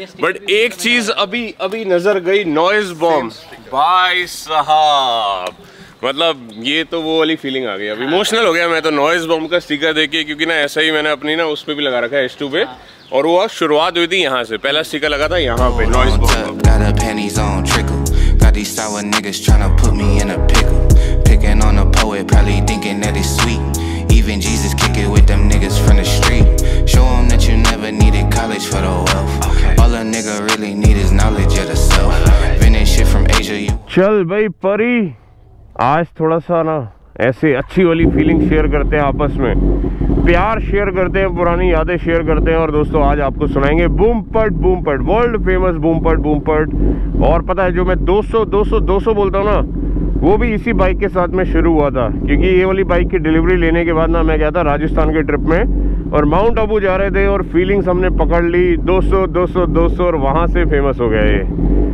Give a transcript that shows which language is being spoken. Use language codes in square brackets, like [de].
[hi] But एक चीज अभी अभी नजर गई, नॉइज बॉम्ब भाई साहब, मतलब ये तो वो वाली फीलिंग आ गई. अब इमोशनल हो गया मैं तो नॉइज बॉम्ब का स्टिकर देख के, क्योंकि ना ऐसा ही मैंने अपनी ना उसपे भी लगा रखा है H2 पे. और वो शुरुआत हुई थी यहाँ से, पहला स्टिकर लगा था यहाँ पे noise bomb. [en] These sour niggas tryna put me in a pickle. Picking on a poet, probably thinking that it's sweet. Even Jesus kick it with them niggas from the street. Show them that you never needed college for the wealth. Okay. All a nigga really need is knowledge of the self. Vintage shit from Asia. You [hi] chal bhai pari. Aaj thoda sa na ऐसे अच्छी वाली feeling share करते हैं आपस में, प्यार share करते हैं, पुरानी यादें शेयर करते हैं. और दोस्तों आज आपको सुनाएंगे बूमपट बूमपट, वर्ल्ड फेमस बूमपट बूमपट. और पता है जो मैं 200 बोलता हूँ ना वो भी इसी बाइक के साथ में शुरू हुआ था, क्योंकि ये वाली बाइक की डिलीवरी लेने के बाद ना मैं गया था राजस्थान के ट्रिप में और माउंट आबू जा रहे थे और फीलिंग्स हमने पकड़ ली 200 200 200 और वहाँ से फेमस हो गया ये.